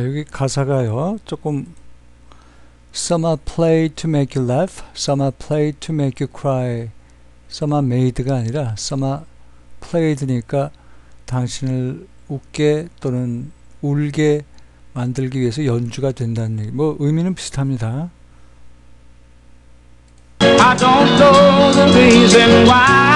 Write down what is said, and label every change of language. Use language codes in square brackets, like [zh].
[ko] 가사가요, 조금 [en] Some are played to make you laugh, some are played to make you cry. Some are made [ko] 가 아니라 [en] some are played [ko] 니까 당신을 웃게 또는 울게 만들기 위해서 연주가 된다는 얘기. 뭐 의미는 비슷합니다. [en] I don't know the reason why.